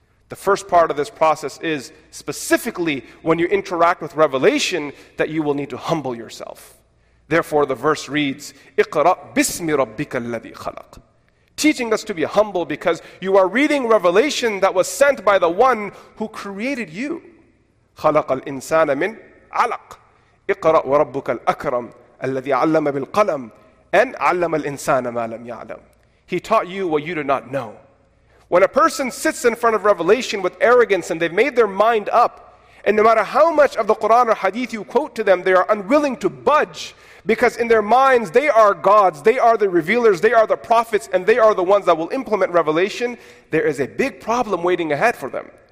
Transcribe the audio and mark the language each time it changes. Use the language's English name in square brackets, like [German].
[English] The first part of this process is specifically when you interact with revelation that you will need to humble yourself. Therefore, the verse reads, [Arabic] اقرأ بسم ربك الذي خلق. [English] Teaching us to be humble, because you are reading revelation that was sent by the one who created you. [Arabic] خلق الإنسان من علق. اقرأ وربك الأكرم الذي علم بالقلم أن علم الإنسان ما لم يعلم. [English] He taught you what you did not know. When a person sits in front of revelation with arrogance and they've made their mind up, and no matter how much of the Quran or Hadith you quote to them, they are unwilling to budge, because in their minds they are gods, they are the revealers, they are the prophets, and they are the ones that will implement revelation, there is a big problem waiting ahead for them.